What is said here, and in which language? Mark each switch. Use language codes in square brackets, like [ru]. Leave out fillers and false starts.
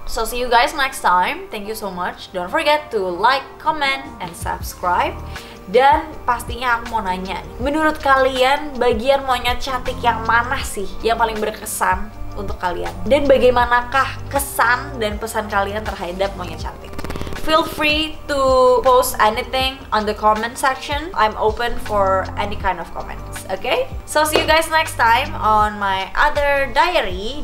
[en] So see you guys next time, thank you so much. Don't forget to like, comment, and subscribe. [id] Dan pastinya aku mau nanya, menurut kalian bagian Monyet Cantik yang mana sih yang paling berkesan untuk kalian? Dan bagaimanakah kesan dan pesan kalian terhadap Monyet Cantik? [en] Feel free to post anything on the comment section. I'm open for any kind of comments, okay? So see you guys next time on my other diary.